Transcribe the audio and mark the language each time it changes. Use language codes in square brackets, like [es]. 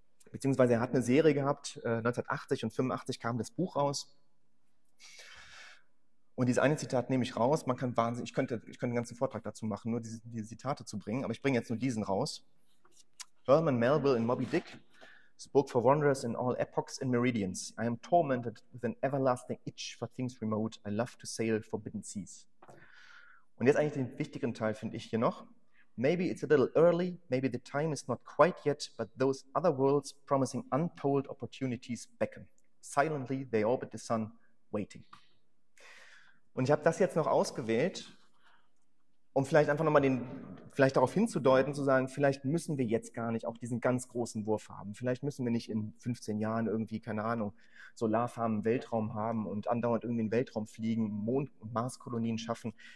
[de] Beziehungsweise er hat eine Serie gehabt. 1980 und 85 kam das Buch raus. Und dieses eine Zitat nehme ich raus. Man kann wahnsinnig, ich könnte einen ganzen Vortrag dazu machen, nur diese Zitate zu bringen. Aber ich bringe jetzt nur diesen raus. [en] Herman Melville in Moby Dick spoke for wanderers in all epochs and meridians. I am tormented with an everlasting itch for things remote. I love to sail forbidden seas. [de] Und jetzt eigentlich den wichtigen Teil finde ich hier noch. [en] Maybe it's a little early, maybe the time is not quite yet, but those other worlds promising untold opportunities beckon. Silently they orbit the sun, waiting. [de] Und ich habe das jetzt noch ausgewählt, um vielleicht einfach nochmal vielleicht darauf hinzudeuten, zu sagen, vielleicht müssen wir jetzt gar nicht auch diesen ganz großen Wurf haben. Vielleicht müssen wir nicht in 15 Jahren irgendwie, keine Ahnung, Solarfarmen im Weltraum haben und andauernd irgendwie in den Weltraum fliegen, Mond- und Marskolonien schaffen.